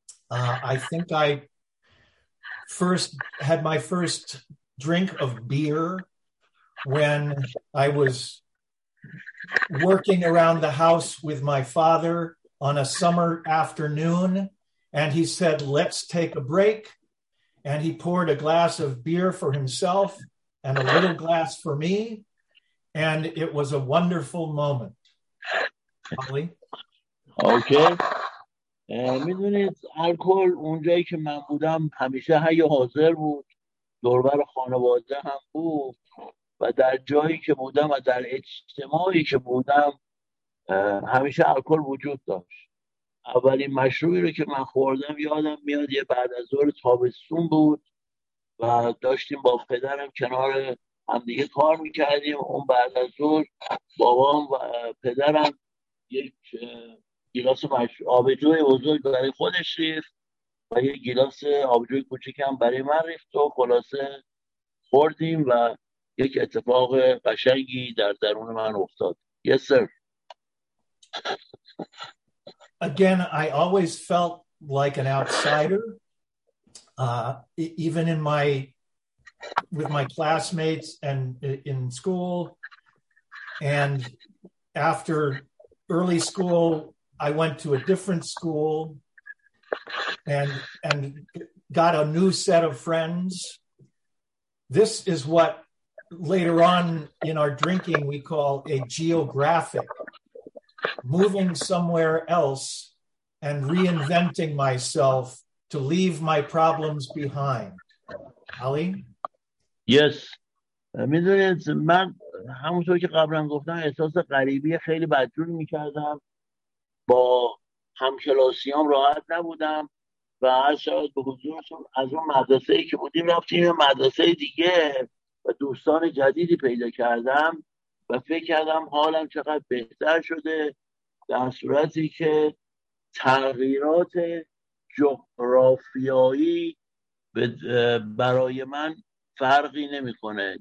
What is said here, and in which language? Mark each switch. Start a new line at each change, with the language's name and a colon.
English: I think I first had my first drink of beer when I was working around the house with my father on a summer afternoon, and he said, let's take a break, and he poured a glass of beer for himself and a little glass for me, and it was a wonderful moment. Holly? Okay.
Persian: میدونید الکل اونجایی که من بودم همیشه حی حاضر بود، دوربر خانواده هم بود و در جایی که بودم و در اجتماعی که بودم همیشه الکل وجود داشت. اولین مشروبی رو که من خوردم یادم میاد یه بعد از ظهر تابستون بود و داشتیم با پدرم کنار همدیگه کار میکردیم. اون بعد از ظهر بابام و پدرم یک گلاس آبجوی بزرگ برای خودش ریخت و یه گلاس آبجوی کوچیک هم برای من ریخت و خلاصه خوردیم و یک اتفاق قشنگی در درون من افتاد.
English: Yes, sir. Again, I always felt like an outsider, even in my with my classmates and in school. And after early school, I went to a different school and got a new set of friends. This is what later on in our drinking we call a geographic, moving somewhere else and reinventing myself to leave my problems behind. Ali? Yes.
Persian: میدونید من همونطور که قبلا گفتم احساس غریبی خیلی بدجوری میکردم. با همکلاسیام راحت نبودم و هر شاید به حضورتون از اون مدرسه ای که بودیم رفتیم یه مدرسه دیگه و دوستان جدیدی پیدا کردم و فکر کردم حالم چقدر بهتر شده، در صورتی که تغییرات جغرافیایی برای من فرقی نمی کنه.